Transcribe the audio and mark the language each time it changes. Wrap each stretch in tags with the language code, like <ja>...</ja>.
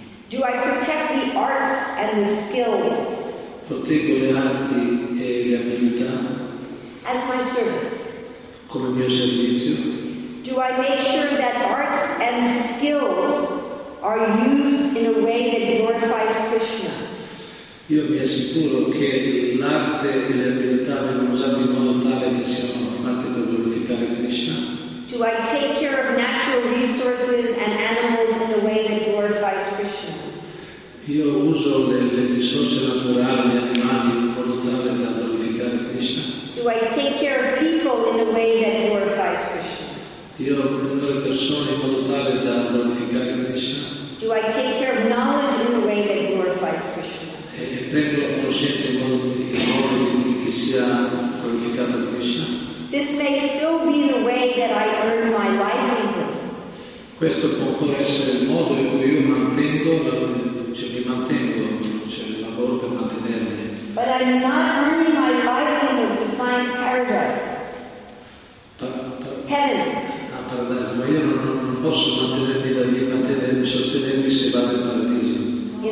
<en>Do I protect the arts and the skills?</en> <it>Proteggo le arti e le abilità.</it> <en>As my service.</en> <it>Come mio servizio.</it> <en>Do I make sure that arts and skills are used in a way that glorifies Krishna?</en> <it>Io mi assicuro che l'arte e le abilità vengono usate in modo tale che siano fatte per glorificare Krishna.</it> <en>Do I take care of natural resources and animals in a way that glorifies Krishna?</en> <it>Io uso le risorse naturali e animali in modo tale da glorificare Krishna.</it> <en>Do I take care of people in a way that glorifies Krishna?</en> <it>Io prendo le persone in modo tale da glorificare Krishna.</it> <en>Do I take care of knowledge in a way that glorifies Krishna?</en> <it>E prendo la conoscenza in modo che sia qualificata Krishna.</it> <en>This may still be the way that I earn my livelihood.</en> <it>Questo può ancora essere il modo in cui io mantengo, cioè mi mantengo, cioè il lavoro per mantenermi.</it> <en>But I'm not earning my livelihood to find paradise. Heaven.</en> <it>Paradise, ma io non posso mantenermi da lì, mantenermi, sostenermi se vado in paradiso.</it>